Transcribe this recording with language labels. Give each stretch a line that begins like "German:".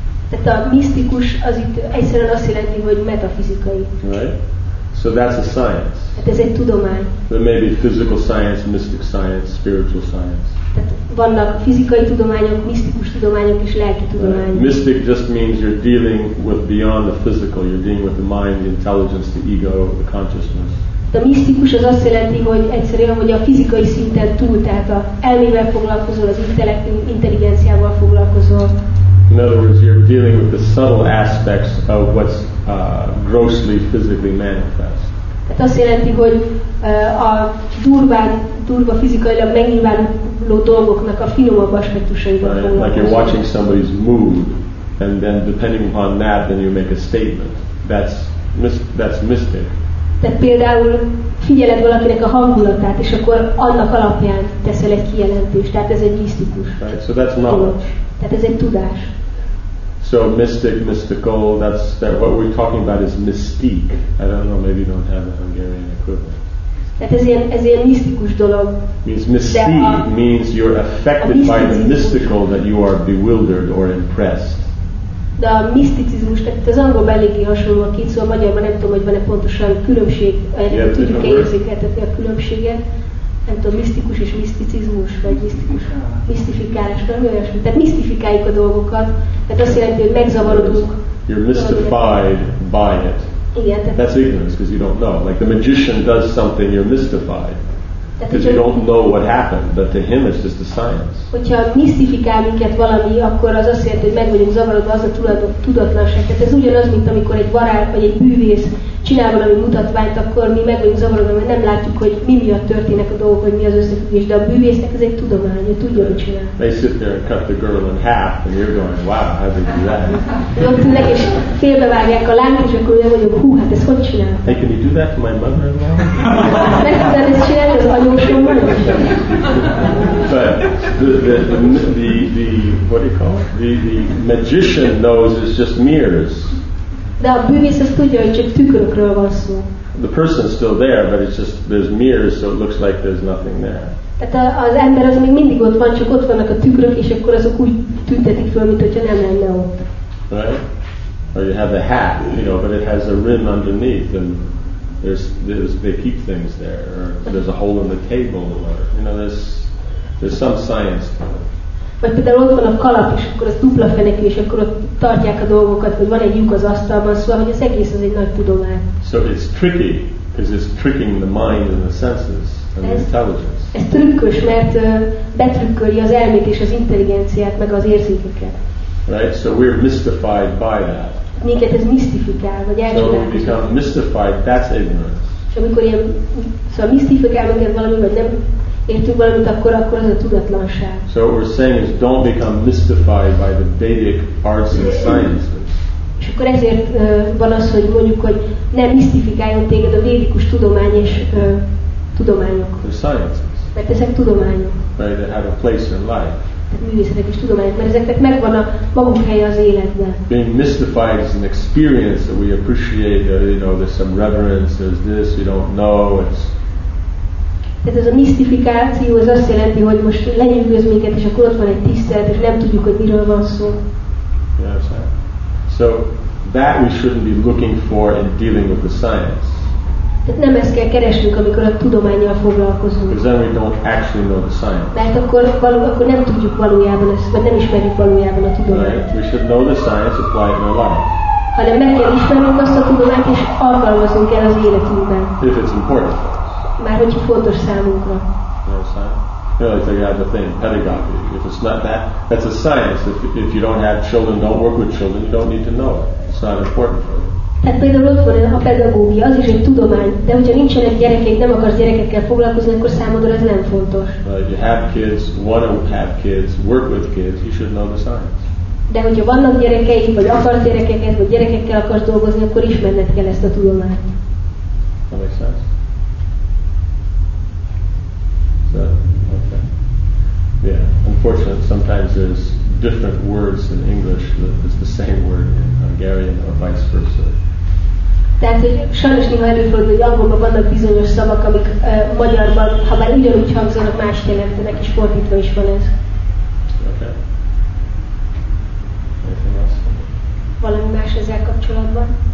Hungarian: Tehát a misztikus az itt egyszerűen azt jelenti, hogy metafizikai.
English: Right? So that's a science.
Hungarian: Hát ez egy tudomány.
English: There may be physical science, mystic science, spiritual science.
Hungarian: Tehát vannak fizikai tudományok, misztikus tudományok és lelki tudományok.
English: Right. Mystic just means you're dealing with beyond the physical. You're dealing with the mind, the intelligence, the ego, the consciousness.
Hungarian: De misztikus az azt jelenti, hogy egyszerűen, hogy a fizikai szinten túl, tehát a elmével foglalkozol, az intelligenciával foglalkozol.
English: In other words, you're dealing with the subtle aspects of what's grossly physically manifest.
Hungarian: Tehát azt jelenti, hogy a durva fizikailag megnyilvánuló dolgoknak a finomabb aspektusaival foglalkozol.
English: Like you're watching somebody's mood, and then depending upon that, then you make a statement. That's mystic.
Hungarian: Tehát például figyeled valakinek a hangulatát, és akkor annak alapján teszel egy kijelentést. Tehát ez egy misztikus.
English: Right, so that's knowledge.
Hungarian: Tehát ez egy tudás.
English: So mystic, mystical, that's that what we're talking about is mystique. I don't know, maybe you don't have a Hungarian equivalent.
Hungarian: Tehát ez ilyen misztikus dolog.
English: Means mystique means you're affected by the mystical that you are bewildered or impressed.
Hungarian: De a miszticizmus, tehát az angolban eléggé hasonló a két szó, a magyarban nem tudom, hogy van-e pontosan különbség, tudjuk érzékeltetni a különbséget, nem tudom, misztikus és miszticizmus, vagy misztikus, misztifikálás, vagy olyasmi. Tehát misztifikáljuk a dolgokat, tehát azt jelenti, hogy megzavarodunk.
English: You're mystified by it.
Hungarian: Igen, tehát...
English: That's ignorance, because you don't know. Like the magician does something, you're mystified. Because you don't know what happened, but to him it's just a science.
Hungarian: Hogyha misztifikál minket valami, akkor az azt jelenti, hogy meg vagyunk zavarodva, az a tudatlanság. Tehát ez ugyanaz, mint amikor egy varázs vagy egy művész csinál valami mutatványt, akkor mi meg vagyunk zavarodva, mert nem látjuk, hogy mi miatt történnek a dolgok, hogy mi az összefüggés. De a művésznek ez egy tudomány, hogy tudja, hogy csinál.
English: They sit there and cut the girl in half, and you're going, wow, how did you do that?
Hungarian: Ott ülnek és félbevágják a lányt, és akkor olyan vagyok, hú, hát ezt hogy csinál?
English: Hey, can you do that to my mother-in-law?
Hungarian: Meg tudtad ezt csinálni az anyósommal?
English: But the what do you call it? The magician knows it's just mirrors.
Hungarian: De a bűvész azt tudja, hogy csak tükrökről van szó.
English: The person is still there, but it's just there's mirrors, so it looks like there's nothing there.
Hungarian: Tehát az ember az még mindig ott van, csak ott vannak a tükrök, és akkor azok úgy tüntetik föl, mint hogyha nem lenne ott.
English: Right? Or you have the hat, you know, but it has a rim underneath, and there's they keep things there, or there's a hole in the table, or you know, there's some science to it.
Hungarian: Vagy például ott van a kalap, és akkor az dupla fenekű, és akkor ott tartják a dolgokat, hogy van egy lyuk az asztalban, szóval hogy az egész az egy nagy tudomány.
English: So it's tricky, because it's tricking the mind and the senses and the intelligence.
Hungarian: Ez trükkös, mert betrükköli az elmét és az intelligenciát, meg az érzékeket.
English: Right, so we're mystified by that.
Hungarian: Minket ez misztifikál, vagy elcsodálkozik.
English: So we become mystified, that's ignorance.
Hungarian: És amikor ilyen, szóval misztifikál minket valami, vagy nem értünk valamit, akkor az a tudatlanság.
English: So what we're saying is don't become mystified by the Vedic arts and sciences.
Hungarian: És akkor ezért van az, hogy mondjuk, hogy ne misztifikáljon téged a védikus tudomány és tudományok.
English: The sciences.
Hungarian: Mert ezek tudományok.
English: Right, they have a place in life.
Hungarian: Tehát művészetek és tudományok, mert ezeknek megvan a maguk helye az életben.
English: Being mystified is an experience that we appreciate, that, you know, there's some reverence, there's this, you don't know, it's...
Hungarian: Tehát ez a misztifikáció az azt jelenti, hogy most lenyűgöz minket, és akkor ott van egy tisztelet, és nem tudjuk, hogy miről van szó.
English: Yes, so that we shouldn't be looking for in dealing with the science.
Hungarian: Tehát nem ezt kell keresnünk, amikor a tudománnyal foglalkozunk.
English: Because then we don't actually know the science.
Hungarian: Mert akkor nem tudjuk valójában ezt, vagy nem ismerjük valójában a tudományt.
English: Right? We should know the science, apply it in our life.
Hungarian: Hanem meg kell ismernünk azt a tudományt, és alkalmazunk el az életünkben.
English: If it's important.
Hungarian: Már hogy fontos számunkra.
English: You know, they have the thing, pedagogy. If it's not that, that's a science. If you don't have children, don't work with children, you don't need to know it. It's not important for you.
Hungarian: Tehát például ott van a pedagógia, az is egy tudomány, de hogyha nincsenek gyerekek, nem akarsz gyerekekkel foglalkozni, akkor számodra ez nem fontos.
English: But if you have kids, want to have kids, work with kids, you should know the science.
Hungarian: De hogyha vannak gyerekeid, vagy akarsz gyerekeket, vagy gyerekekkel akarsz dolgozni, akkor ismerned kell ezt a tudományt.
English: That makes sense? Yeah, unfortunately, sometimes there's different words in English that is the same word in Hungarian or vice versa.
Hungarian: Tehát, hogy sajnos néha előfordul, hogy angolban vannak bizonyos szavak, amik magyarban, ha már ugyanúgy hangzanak, más jelentenek, és fordítva is van ez.
English: Okay. Anything else?
Hungarian: Valami más ezzel kapcsolatban?